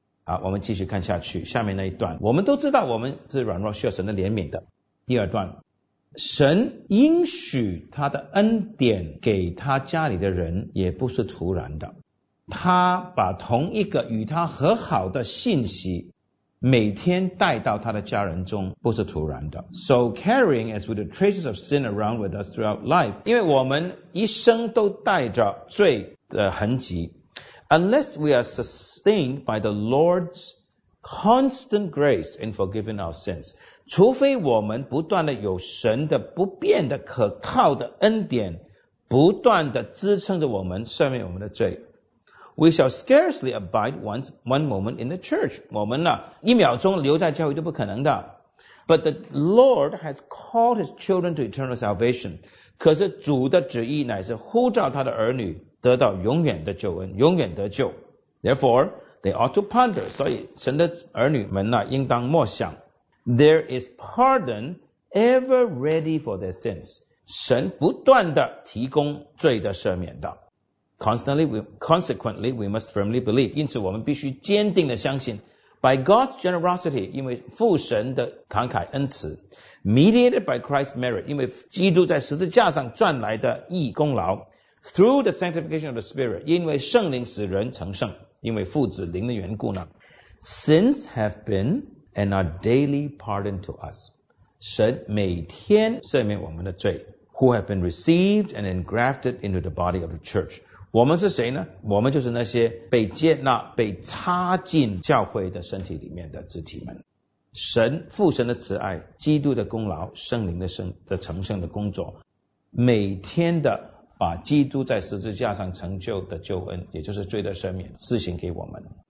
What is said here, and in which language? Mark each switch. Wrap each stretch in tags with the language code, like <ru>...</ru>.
<zh>好，我们继续看下去，下面那一段，我们都知道我们是软弱需要神的怜悯的。第二段，神应许他的恩典给他家里的人，也不是突然的。他把同一个与他和好的信息每天带到他的家人中，不是突然的。</zh> <en>So carrying as with the traces of sin around with us throughout life，</en> <zh>因为我们一生都带着罪的痕迹。</zh> <en>Unless we are sustained by the Lord's constant grace in forgiving our sins，</en> <zh>除非我们不断的有神的不变的可靠的恩典不断的支撑着我们赦免我们的罪。</zh> <en>We shall scarcely abide one moment in the church.</en> <zh>我们呢，一秒钟留在教会都不可能的。</zh> <en>But the Lord has called his children to eternal salvation.</en> <zh>可是主的旨意乃是呼召他的儿女得到永远的救恩，永远得救。</zh> <en>Therefore, they ought to ponder.</en> <zh>所以神的儿女们呢，应当默想。</zh> <en>There is pardon ever ready for their sins.</en> <zh>神不断地提供罪的赦免的。</zh> <en>Consequently, we must firmly believe.</en> <zh>因此我们必须坚定地相信</zh> <en>By God's generosity,</en> <zh>因为父神的慷慨恩慈</zh> <en>Mediated by Christ's merit,</en> <zh>因为基督在十字架上赚来的义功劳</zh> <en>Through the sanctification of the Spirit,</en> <zh>因为圣灵使人成圣因为父子灵的缘故呢</zh> <en>Sins have been and are daily pardoned to us.</en> <zh>神每天赦免我们的罪</zh> <en>Who have been received and engrafted into the body of the church.</en> <zh>我们是谁呢？我们就是那些被接纳、被插进教会的身体里面的肢体们。神、父神的慈爱、基督的功劳、圣灵的成圣的工作，每天的把基督在十字架上成就的救恩，也就是罪的赦免，施行给我们。</zh>